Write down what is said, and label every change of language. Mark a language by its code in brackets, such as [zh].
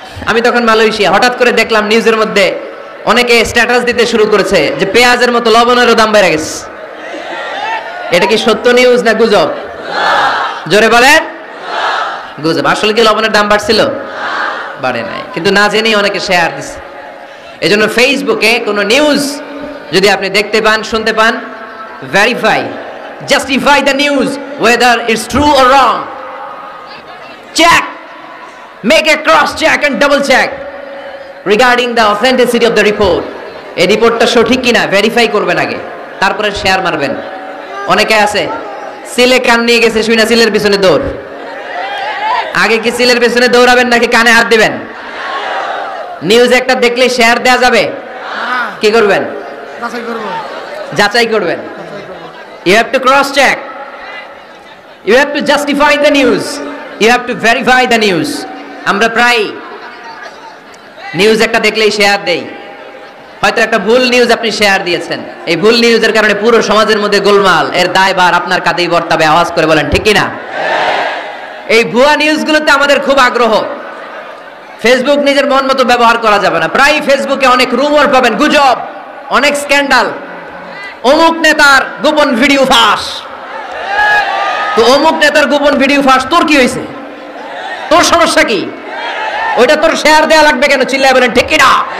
[bn] আমি তখন মালয়েশিয়া হঠাৎ করে দেখলাম নিউজের মধ্যে অনেকে স্ট্যাটাস দিতে শুরু করেছে যে পেঁয়াজের মতো লবণেরও দাম বেড়ে গেছে। এটা কি সত্য নিউজ না গুজব? জোরে বলেন, গুজব। আসলে কি লবণের দাম বাড়ছিল? বাড়ে নাই, কিন্তু না জেনেই অনেকে শেয়ার দিচ্ছে। এই জন্য ফেসবুকে কোনো নিউজ যদি আপনি দেখতে পান শুনতে পান, verify [en] justify the news whether it's true or wrong, check, make a cross check and double check regarding the authenticity of the report. [bn] এই রিপোর্টটা সঠিক কিনা ভেরিফাই করবেন আগে, তারপরে শেয়ার মারবেন। অনেকে আছে সিলে কান নিয়ে গেছে, শুইনা সিলের পিছনে দৌড়। আগে কি সিলের পিছনে দৌড়াবেন নাকি কানে হাত দিবেন? নিউজ একটা দেখলে শেয়ার দেয়া যাবে? কি করবেন? যাচাই করবেন। [en] You have to cross check, you have to justify the news, you have to verify the news. [bn] আমরা প্রায় নিউজ একটা দেখলেই শেয়ার দেই, হয়তো একটা ভুল নিউজ আপনি শেয়ার দিয়েছেন, এই ভুল নিউজের কারণে পুরো সমাজের মধ্যে গোলমাল, এর দায়ভার আপনার কাঁধেই বর্তাবে। আওয়াজ করে বলেন ঠিক কিনা? এই ভুয়া নিউজগুলোতে আমাদের খুব আগ্রহ। ফেসবুক নিজের মন মতো ব্যবহার করা যাবে না, প্রায় ফেসবুকে অনেক রুমর পাবেন, গুজব, অনেক স্ক্যান্ডাল, অমুক নেতার গোপন ভিডিও ফাঁস, তো অমুক নেতার গোপন ভিডিও ফাঁস, তোর কি হয়েছে, তোর সমস্যা কি, ওইটা তোর শেয়ার দেওয়া লাগবে কেন? চিল্লায় বলেন ঠিক কিনা?